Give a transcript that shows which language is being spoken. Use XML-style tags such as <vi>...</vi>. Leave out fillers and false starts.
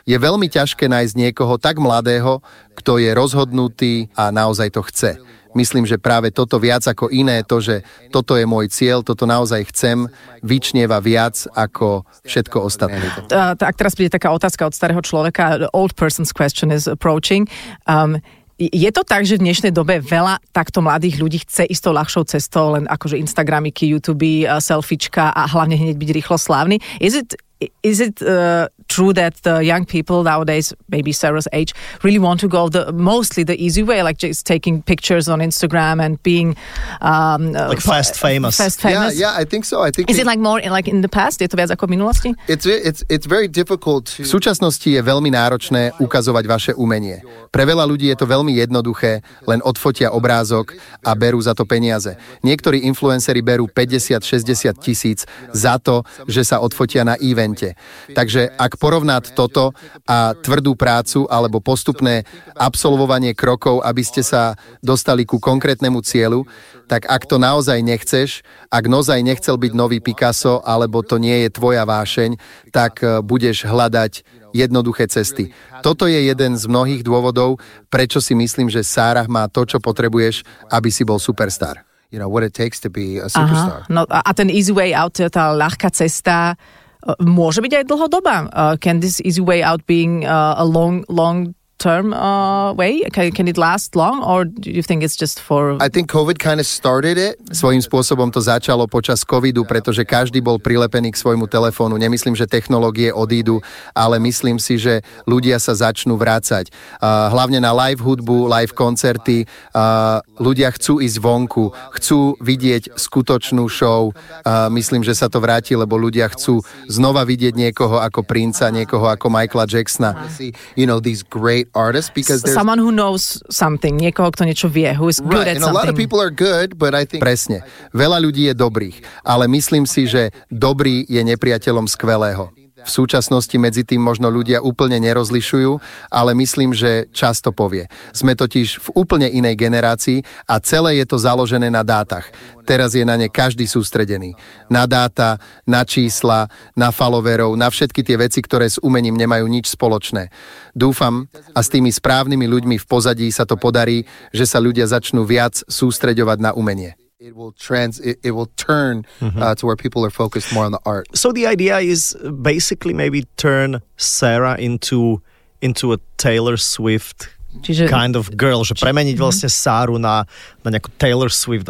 <sk>Je veľmi ťažké nájsť niekoho tak mladého, kto je rozhodnutý a naozaj to chce. Myslím, že práve toto viac ako iné, to, že toto je môj cieľ, toto naozaj chcem, vyčnieva viac ako všetko ostatné. Tak teraz príde taká otázka od starého človeka.</sk> <en>The old person's question is approaching.</en> <sk>Je to tak, že v dnešnej dobe veľa takto mladých ľudí chce ísť tou ľahšou cestou, len akože Instagramiky, YouTube, selfiečka a hlavne hneď byť rýchlo slávny?</sk> <en>Is it true that the young people nowadays, maybe Sarah's age, really want to go mostly the easy way, like just taking pictures on Instagram and being fast famous? Yeah, I think so. Is it like more like in the past?</en> <sk>Je to viac ako v minulosti?</sk> <en>It's very difficult.</en> <sk>V súčasnosti je veľmi náročné ukazovať vaše umenie. Pre veľa ľudí je to veľmi jednoduché, len odfotia obrázok a berú za to peniaze. Niektorí influenceri berú 50-60 tisíc za to, že sa odfotia na evente. Takže ak porovnáte toto a tvrdú prácu alebo postupné absolvovanie krokov, aby ste sa dostali ku konkrétnemu cieľu, tak ak to naozaj nechceš, ak naozaj nechcel byť nový Picasso alebo to nie je tvoja vášeň, tak budeš hľadať jednoduché cesty. Toto je jeden z mnohých dôvodov, prečo si myslím, že Sára má to, čo potrebuješ, aby si bol superstar.</sk> <en>You know, what it takes to be a superstar. Aha,</en> <sk>no, a ten</sk> <en>easy way out,</en> <sk>tá ľahká cesta, môže byť aj dlhodobá.</sk> <en>Can this easy way out being a long-term way? Can it last long? Or do you think it's just for... I think COVID kind of started it.</en> <sk>Svojím spôsobom to začalo počas COVIDu, pretože každý bol prilepený k svojmu telefónu. Nemyslím, že technológie odídu, ale myslím si, že ľudia sa začnú vrácať. Hlavne na live hudbu, live koncerty. Ľudia chcú ísť vonku, chcú vidieť skutočnú show. Myslím, že sa to vráti, lebo ľudia chcú znova vidieť niekoho ako Princa, niekoho ako Michaela Jacksona.</sk> <en>You know, these great artists, because there's... Someone who knows something,</en> <sk>niekoho, kto niečo vie,</sk> <en>who is good at something. A lot of people are good, but I think...</en> <sk>Presne. Veľa ľudí je dobrých, ale myslím si, že dobrý je nepriateľom skvelého. V súčasnosti medzi tým možno ľudia úplne nerozlišujú, ale myslím, že často povie. Sme totiž v úplne inej generácii a celé je to založené na dátach. Teraz je na ne každý sústredený. Na dáta, na čísla, na followerov, na všetky tie veci, ktoré s umením nemajú nič spoločné. Dúfam, a s tými správnymi ľuďmi v pozadí sa to podarí, že sa ľudia začnú viac sústreďovať na umenie.</sk> <en>It will turn to where people are focused more on the art. So the idea is basically maybe turn Sarah into a Taylor Swift</en> <sk>Čiže,</sk> <en>kind of girl,</en> <sk>že premeniť vlastne Sáru na nejakú Taylor Swift.</sk>